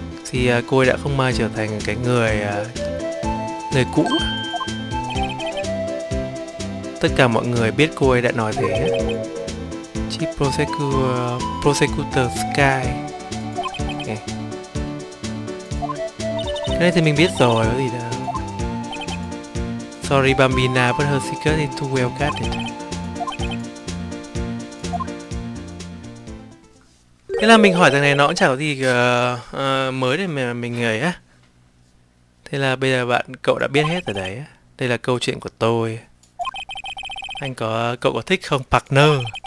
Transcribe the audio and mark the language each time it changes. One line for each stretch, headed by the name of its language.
Vietnamese: Thì cô ấy đã không may trở thành cái người người cũ. Tất cả mọi người biết cô ấy đã nói thế. Chief Prosecutor Sky. Cái này thì mình biết rồi, có gì đâu.
English: Sorry Bambina, but her secret is too well guarded.
Vietnamese: Thế là mình hỏi thằng này nó cũng chẳng có gì mới để mà mình ấy á. Thế là bây giờ cậu đã biết hết rồi đấy. Đây là câu chuyện của tôi. Anh có, cậu có thích không, partner?